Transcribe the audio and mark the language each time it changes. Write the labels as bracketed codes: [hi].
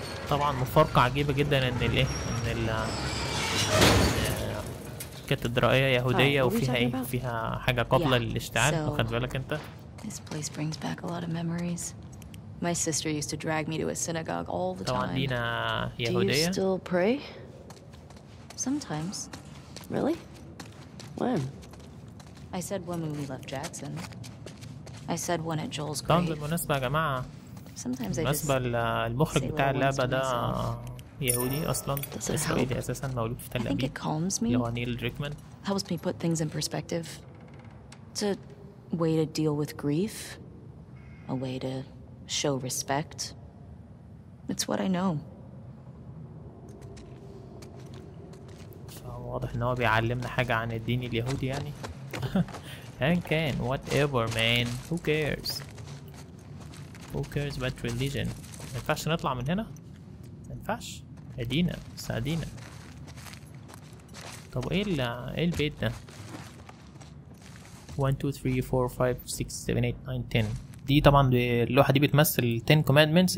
[ar] طبعا مفارقة عجيبة جدا ان الايه، ان ال كاتدرائية يهودية وفيها ايه، فيها حاجة قابلة للاشتعال. واخد بالك انت؟ [en] This place brings back a lot of memories. My sister used to drag me to a synagogue all the time. [ar] طبعا دينا يهودية. [en] Do you still pray? Sometimes. Really? When? I said when we left Jackson. I said when at Joel's grave. [ar] طبعا بالمناسبة يا جماعة، بالمناسبة المخرج بتاع اللعبة ده يهودي أصلا، إسرائيلي أساسا، مولود في تل أبيب، اللي هو نيل دريكمان. [en] Helps me put things in perspective. It's a way to deal with grief. A way to show respect. It's what I know. [ar] واضح إن هو بيعلمنا حاجة عن الدين اليهودي يعني. إن كان، [en] whatever man, who cares. Who cares about religion? [ar] ما ينفعش نطلع من هنا؟ ما ينفعش؟ ادينا بس ادينا. طب ايه ال ايه البيت ده؟ 1 2 3 4 5 6 7 8 9 10. دي طبعا اللوحة دي بتمثل [en] 10 commandments.